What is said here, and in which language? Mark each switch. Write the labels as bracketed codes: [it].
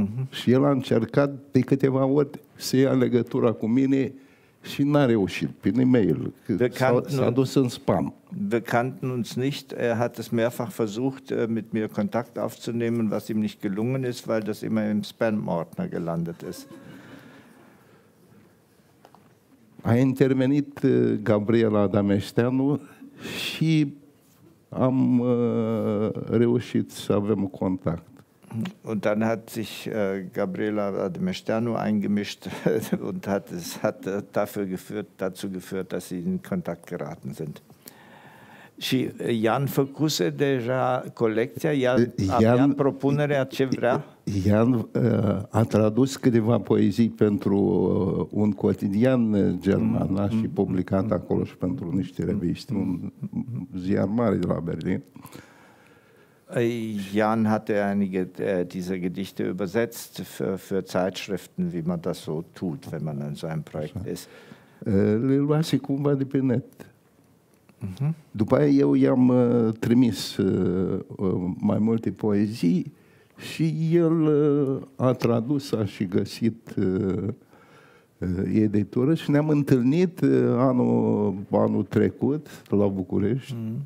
[ro] Și el a încercat de câteva ori să ia legătura cu mine și n-a reușit prin e-mail, s-a dus în spam. [de] Wir kannten uns nicht, er hat es mehrfach versucht, mit mir Kontakt aufzunehmen, was ihm nicht gelungen ist, weil das immer im Spam-Ordner gelandet ist. [ro] A intervenit Gabriela Dameșteanu și am reușit să avem contact. [de] Und dann hat sich Gabriela Ademesternu eingemischt und hat dafür geführt, dazu geführt, dass sie in Kontakt geraten sind. [ro] Și Jan făcuse deja colecția, Jan avea propunerea ce vrea. Jan a tradus câteva poezii pentru un cotidian german, a și publicat acolo și pentru niște reviste, un ziar mare de la Berlin. [de] Jan hatte einige dieser Gedichte übersetzt für Zeitschriften, wie man das so tut, wenn man in so einem Projekt ist. [ro] Le luase cumva de pe net. După aia eu i-am trimis mai multe poezii și el a tradus, a și găsit editură și ne-am întâlnit anul trecut la București.